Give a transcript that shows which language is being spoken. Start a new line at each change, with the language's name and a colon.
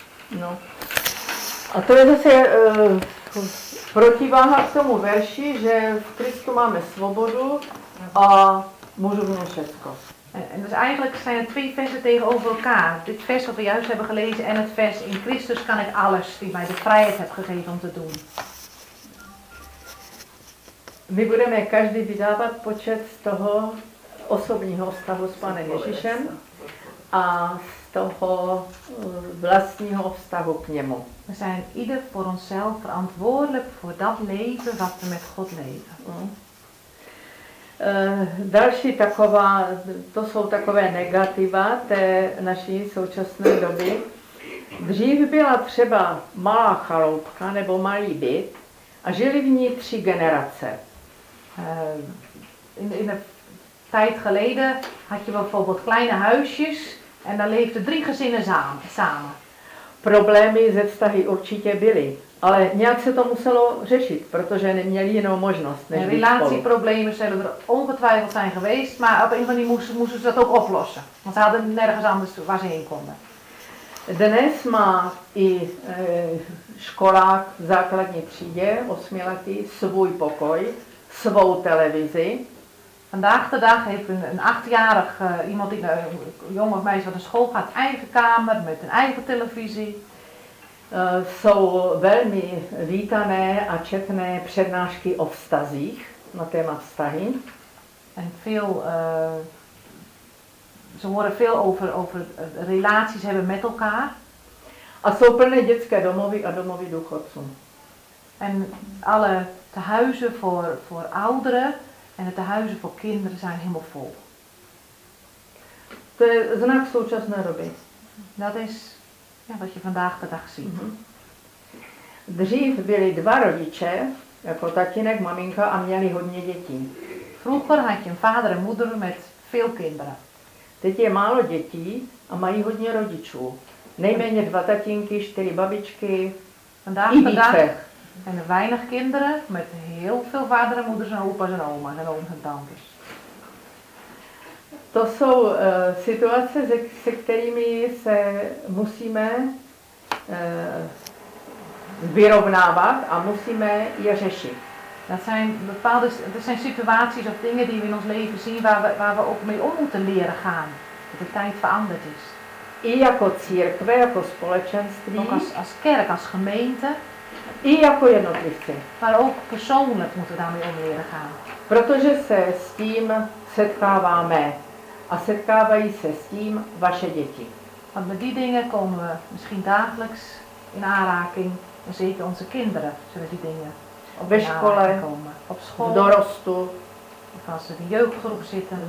Czech: No. A to je zase protiváha k tomu verši, že v Kristu máme svobodu a můžu mít všechno.
Dutch: En dus eigenlijk zijn er twee versen tegenover elkaar. Dit vers wat we juist hebben gelezen en het vers in Christus kan ik alles die mij de vrijheid heeft gegeven om te doen.
Czech: My budeme každý vydávat počet z toho osobního vztahu s Panem Ježíšem a z toho vlastního vztahu k němu.
Dutch: We zijn ieder voor onszelf verantwoordelijk voor dat leven wat we met God leven.
Czech: Další taková, to jsou takové negativa té naší současné doby. Dřív byla třeba malá chaloupka nebo malý byt a žili v ní tři generace.
Dutch: In een tijd geleden had je bijvoorbeeld kleine huisjes en daar leefden drie gezinnen samen.
Czech: Problémy ze vztahy určitě byly. Ale nějak se to muselo řešit, protože neměli jinou možnost než být spolu.
Dutch: Relatieproblemen zijn er ongetwijfeld zijn geweest, maar op een of andere manier moesten ze dat ook oplossen. Want ze hadden nergens anders waar ze heen konden.
Czech: Dnes má i školák v základní třídě, osmiletý, svůj pokoj, svou televizi.
Dutch: Vandaag de dag heeft een achtjarig iemand in een jong of meisje van de school gaat eigen kamer met een eigen televisie.
Czech: Jsou velmi vítané a četné přednášky o vztazích, na téma vztahy.
Dutch: And veel, ze horen veel over relaties hebben met elkaar.
Czech: A jsou plné dětské domovy a domovy důchodců.
Dutch: En alle tehuizen voor ouderen en de tehuizen voor kinderen zijn helemaal vol.
Czech: To je znak současné doby.
Dutch: Dat is... Ja, wat je vandaag de dag ziet. Mm-hmm.
Czech: Dřív byli dva rodiče, jako tatínek, maminka, a měli hodně dětí.
Dutch: Vroeger had je een vader en moeder met veel kinderen.
Czech: Teď je málo dětí a mají hodně rodičů. Nejméně dva tatínky, čtyři babičky,
Dutch: vandaag,
Czech: i více.
Dutch: En weinig kinderen met heel veel vader en moeders en opa's en oma's en ooms en tantes.
Czech: To jsou situace, se kterými se musíme vyrovnávat a musíme je řešit.
Dutch: Dat zijn situaties of dingen die we in ons leven zien waar we ook mee om moeten leren gaan. Dat de tijd veranderd is.
Czech: I jako církve, jako společenství.
Dutch: Ook als kerk, als gemeente.
Czech: I jako jednotlivci.
Dutch: Maar ook persoonlijk moeten we daarmee om leren gaan.
Czech: Protože se s tím setkáváme. A setkávají se s tím vaše děti.
Dutch: Want met die dingen komen we misschien dagelijks in aanraking. En zeker onze kinderen zullen die dingen
Czech: ve škole,
Dutch: op school,
Czech: v dorostu,
Dutch: of als ze in de jeugdgroep zitten,